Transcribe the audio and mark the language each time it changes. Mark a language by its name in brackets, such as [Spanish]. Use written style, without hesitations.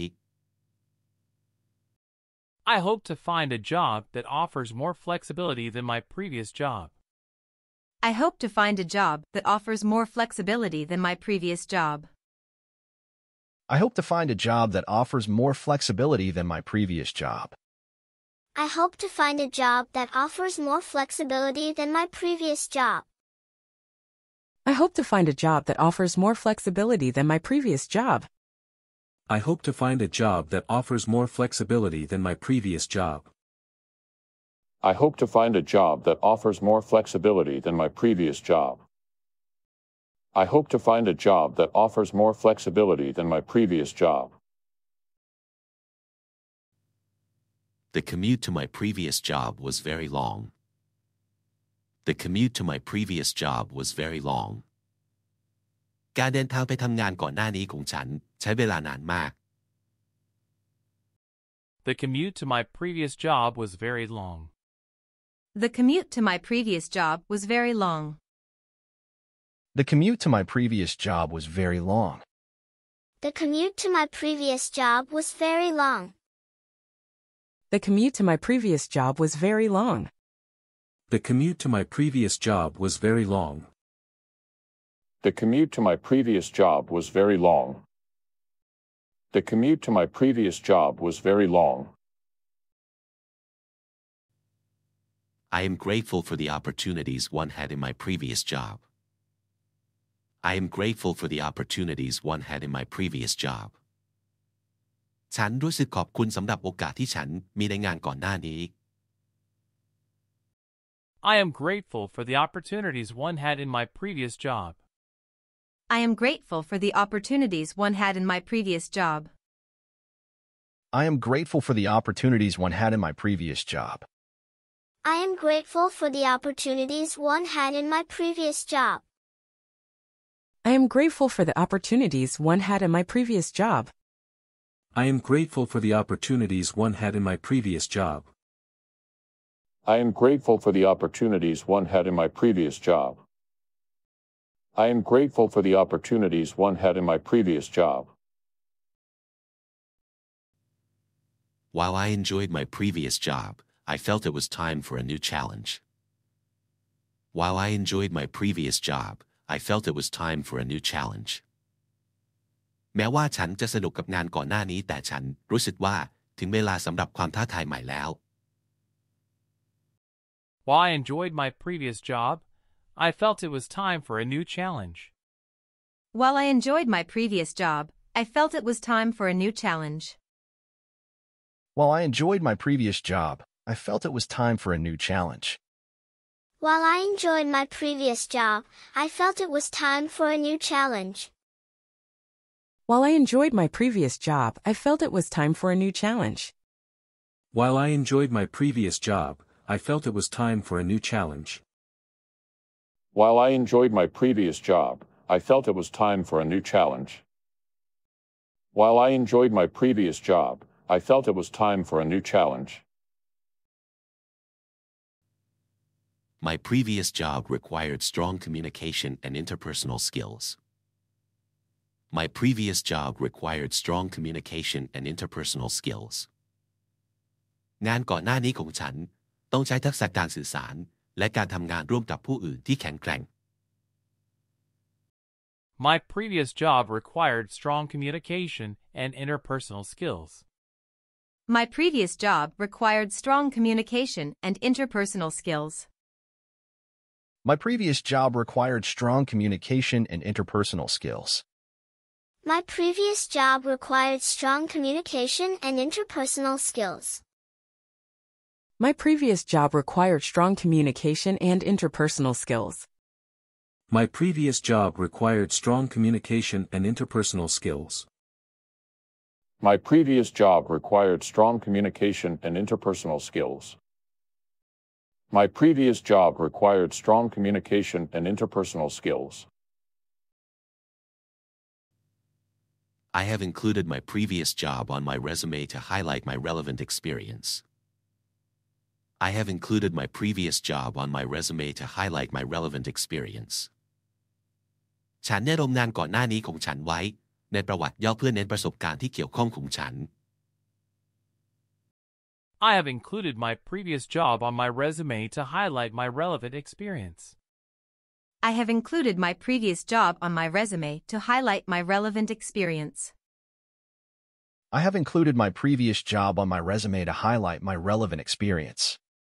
[English] I hope to find a job that offers more flexibility than my previous job. I hope to find a job that offers more flexibility than my previous job. I hope to find a job that offers more flexibility than my previous job. I hope to find a job that offers more flexibility than my previous job. I hope to find a job that offers more flexibility than my previous job. I hope to find a job that offers more flexibility than my previous job. I hope to find a job that offers more flexibility than my previous job. I hope to find a job that offers more flexibility than my previous job. The commute to my previous job was very long. The commute to my previous job was very long. [Thai] การเดินทางไปทำงานก่อนหน้านี้ของฉันใช้เวลานานมาก [English] The commute to my previous job was very long. The commute to my previous job was very long. The commute to my previous job was very long. The commute to my previous job was very long. The commute to my previous job was very long. The commute to my previous job was very long. The commute to my previous job was very long. The commute to my previous job was very long. I am grateful for the opportunities one had in my previous job. I am grateful for the opportunities one had in my previous job. [Thai] ฉันรู้สึกขอบคุณสำหรับโอกาสที่ฉันมีในงานก่อนหน้านี้ [English] I am grateful for the opportunities one had in my previous job. I am grateful for the opportunities one had in my previous job. I am grateful for the opportunities one had in my previous job. I am grateful for the opportunities one had in my previous job. I am grateful for the opportunities one had in my previous job. I am grateful for the opportunities one had in my previous job. I am grateful for the opportunities one had in my previous job. I am grateful for the opportunities one had in my previous job. While I enjoyed my previous job, I felt it was time for a new challenge. While I enjoyed my previous job, I felt it was time for a new challenge. [Thai] แม้ว่าฉันจะสนุกกับงานก่อนหน้านี้แต่ฉันรู้สึกว่าถึงเวลาสำหรับความท้าทายใหม่แล้ว [English] While I enjoyed my previous job, I felt it was time for a new challenge. While I enjoyed my previous job, I felt it was time for a new challenge. While I enjoyed my previous job, I felt it was time for a new challenge. While I enjoyed my previous job, I felt it was time for a new challenge. While I enjoyed my previous job, I felt it was time for a new challenge. While I enjoyed my previous job, I felt it was time for a new challenge. While I enjoyed my previous job, I felt it was time for a new challenge. While I enjoyed my previous job, I felt it was time for a new challenge. My previous job required strong communication and interpersonal skills. My previous job required strong communication and interpersonal skills. [Thai] งานก่อนหน้านี้ของฉันต้องใช้ทักษะการสื่อสารและการทำงานร่วมกับผู้อื่นที่แข็งแกร่ง [English] My previous job required strong communication and interpersonal skills. My previous job required strong communication and interpersonal skills. My previous job required strong communication and interpersonal skills. My previous job required strong communication and interpersonal skills. My previous job required strong communication and interpersonal skills. My previous job required strong communication and interpersonal skills. My previous job required strong communication and interpersonal skills. My previous job required strong communication and interpersonal skills. I have included my previous job on my resume to highlight my relevant experience. I have included my previous job on my resume to highlight my relevant experience. [Thai] ฉันได้ลงงานก่อนหน้านี้ของฉันไว้ในประวัติย่อเพื่อเน้นประสบการณ์ที่เกี่ยวข้องของฉัน [English] I have included my previous job on my resume to highlight my relevant experience. I have included my previous job on my resume to highlight my relevant experience. I have included my previous job on my resume to highlight my relevant experience.